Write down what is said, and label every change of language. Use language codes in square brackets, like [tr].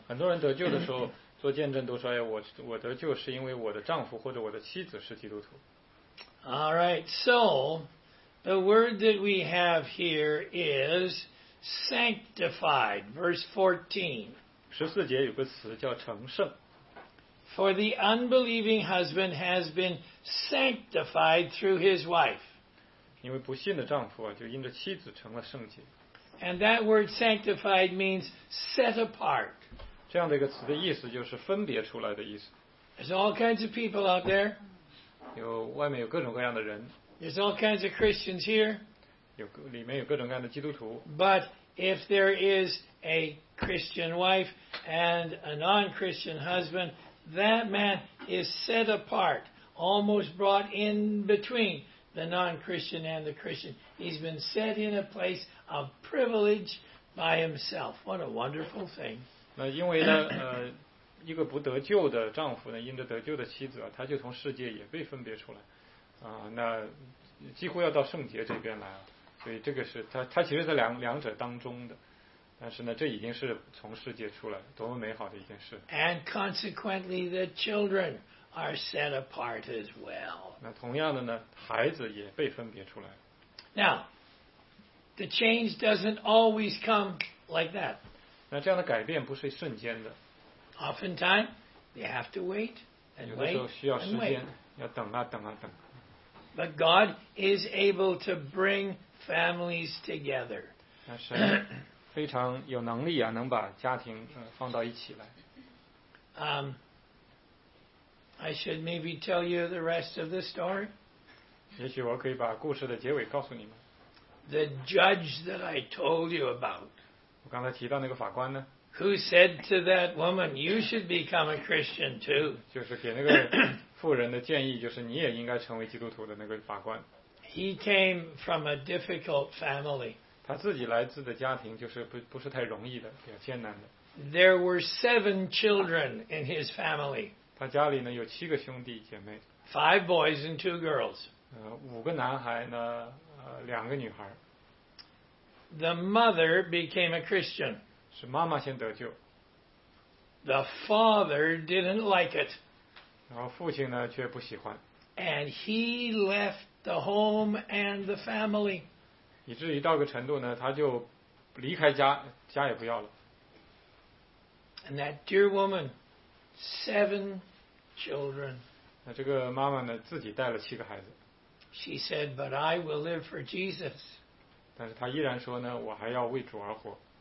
[zh] 很多人得救的时候做见证都说，哎，我得救是因为我的丈夫或者我的妻子是基督徒。 [en] All right, so the word that we have here is. Sanctified, verse 14. [zh] 14节有个词叫成圣。 [en] For the unbelieving husband has been sanctified through his wife. [zh] 因为不信的丈夫啊，就因着妻子成了圣洁。 [en] And that word sanctified means set apart. [zh] 这样的一个词的意思就是分别出来的意思。 [en] There's all kinds of people out there. [zh] 有外面有各种各样的人。 [en] There's all kinds of Christians here. [zh] 有里面有各种各样的基督徒。 [en] But if there is a Christian wife and a non-Christian husband, that man is set apart, almost brought in between the non-Christian and the Christian. He's been set in a place of privilege by himself. What a wonderful thing. [zh] 那因为呢，一个不得救的丈夫呢，因着得救的妻子啊，他就从世界也被分别出来，那几乎要到圣洁这边来啊，所以这个是他其实在两者当中的，但是呢，这已经是从世界出来，多么美好的一件事。 [en] And consequently, the children are set apart as well. [zh] 那同样的呢，孩子也被分别出来。 [en] Now, the change doesn't always come like that. [zh] 那这样的改变不是瞬间的。 [en] Oftentimes, they have to wait and wait. [zh] 有的时候需要时间，要等啊等啊等。 [en] But God is able to bring families together. [zh] 那神非常有能力啊，能把家庭放到一起来。 [en] I should maybe tell you the rest of the story. [zh] 也许我可以把故事的结尾告诉你们。 [en] The judge that I told you about. [zh] 我刚才提到那个法官呢？ [en] Who said to that woman, "You should become a Christian too"? [zh] 就是给那个妇人的建议，就是你也应该成为基督徒的那个法官。 [en] He came from a difficult family. [zh] 他自己来自的家庭就是不是太容易的，比较艰难的。 [en] There were 7 children in his family. [zh] 他家里呢有七个兄弟姐妹。 [en] 5 boys and 2 girls. [zh] 五个男孩呢，两个女孩。 [en] The mother became a Christian. [zh] 是妈妈先得救。 [en] The father didn't like it. [zh] 然后父亲呢却不喜欢。 [en] And he left the home and the family. [zh] 以至于到个程度呢，他就离开家，家也不要了。 [en] And that dear woman, 7 children. [zh] 那这个妈妈呢，自己带了七个孩子。 [en] She said, "But I will live for Jesus." [zh] 但是她依然说呢，我还要为主而活。